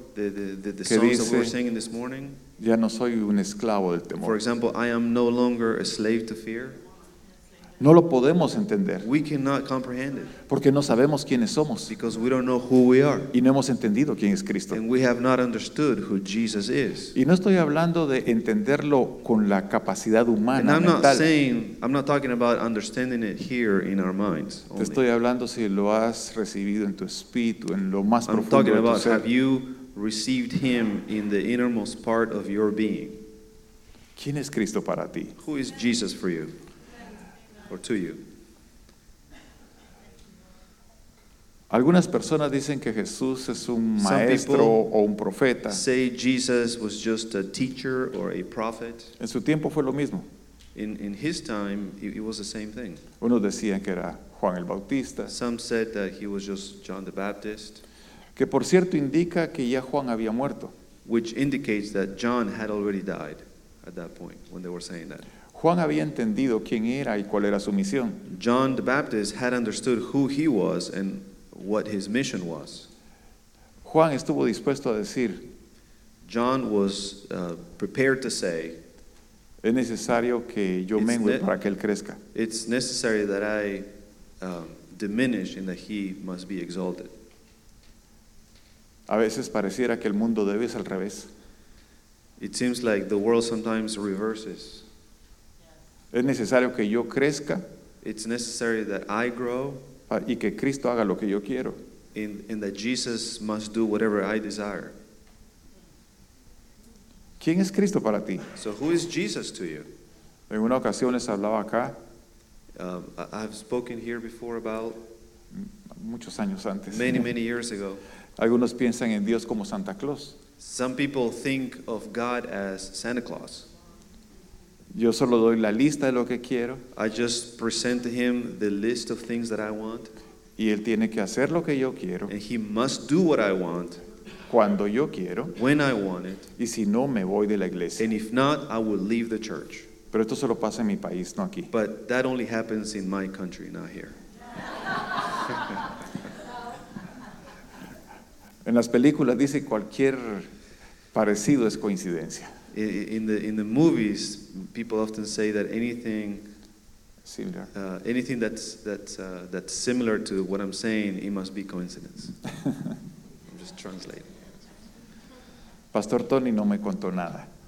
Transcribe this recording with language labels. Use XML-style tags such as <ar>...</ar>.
<en>The songs dice, that we were singing this morning.</en> <es>Ya no soy un esclavo del temor.</es> <en>For example, I am no longer a slave to fear.</en> <es>No lo podemos entender.</es> <en>We cannot comprehend it.</en> <es>Porque no sabemos quiénes somos.</es> <en>Because we don't know who we are.</en> <es>Y no hemos entendido quién es Cristo.</es> <en>And we have not understood who Jesus is.</en> <es>Y no estoy hablando de entenderlo con la capacidad humana, mental.</es> <en>And I'm not talking about understanding it here in our minds.</en> <es>Te estoy hablando si lo has recibido en tu espíritu, en lo más profundo de tu ser.</es> <en>I'm talking about have you received him in the innermost part of your being.</en> <es>¿Quién es Cristo para ti?</es> <en>Who is Jesus for you? Or to you?</en> <es>Algunas personas dicen que Jesús es un maestro o un profeta.</es> <en>Say Jesus was just a teacher or a prophet.</en> <es>En su tiempo fue lo mismo.</es> <en>In his time, it was the same thing.</en> <es>Unos decían que era Juan el Bautista.</es> <en>Some said that he was just John the Baptist.</en> <es>Que por cierto indica que ya Juan había muerto.</es> <en>Which indicates that John had already died at that point when they were saying that.</en> <es>Juan había entendido quién era y cuál era su misión.</es> <en>John the Baptist had understood who he was and what his mission was.</en> <es>Juan estuvo dispuesto a decir.</es> <en>John was prepared to say.</en> <es>Es necesario que yo mengue para que él crezca.</es> <en>It's necessary that I diminish and that he must be exalted.</en> <es>A veces pareciera que el mundo debe ser al revés.</es> <en>It seems like the world sometimes reverses.</en> <es>Es necesario que yo crezca.</es> <en>It's necessary that I grow.</en> <es>Y que Cristo haga lo que yo quiero.</es> <en>And that Jesus must do whatever I desire.</en> <es>¿Quién es Cristo para ti?</es> <en>So who is Jesus to you?</en> <es>En una ocasión les hablaba acá.</es> <en>I've spoken here before about</en> <es>muchos años antes.</es> <en>Many, many years ago.</en> <es>Algunos piensan en Dios como Santa Claus.</es> <en>Some people think of God as Santa Claus.</en> <es>Yo solo doy la lista de lo que quiero.</es> <en>I just present to him the list of things that I want.</en> <es>Y él tiene que hacer lo que yo quiero.</es> <en>And he must do what I want.</en> <es>Cuando yo quiero.</es> <en>When I want it.</en> <es>Y si no, me voy de la iglesia.</es> <en>And if not, I will leave the church.</en> <es>Pero esto solo pasa en mi país, no aquí.</es> <en>But that only happens in my country, not here.</en> <es>En las películas dice cualquier parecido es coincidencia.</es> <en>In the movies, people often say that anything similar, anything that's similar to what I'm saying, it must be coincidence. I'm just translating.</en> <es>Pastor Tony no me contó nada.</es>